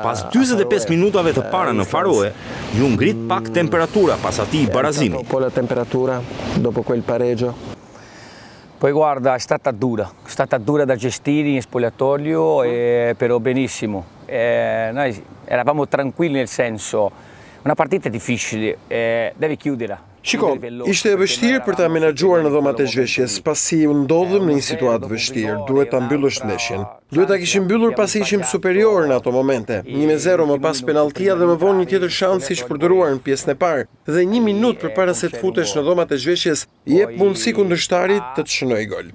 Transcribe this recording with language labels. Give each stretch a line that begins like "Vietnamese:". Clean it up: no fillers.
Albanian: pas 45 minutave të para në Faroe, ju ngrit pak temperatura pas atij barazimi.
Italian: Po la temperatura dopo quel pareggio. Poi guarda, è stata dura da gestire in spogliatoio però benissimo. Noi eravamo tranquilli nel senso una partita è difficile, devi chiuderla.
Albanian: Shiko, ishte e vështirë për ta menaxhuar në dhomat e zhveshjes, pasi u ndodhëm në një situatë vështirë, duhet ta mbyllësh ndeshjen. Duhet ta kishim mbyllur pasi ishim superior në ato momente. 1-0 më pas penaltia dhe më vonë një tjetër shans ishte përdoruar në pjesën e parë. Dhe një minutë përpara se të futesh në dhomat e zhveshjes, i jep mundësi kundërshtarit të të shënojë gol.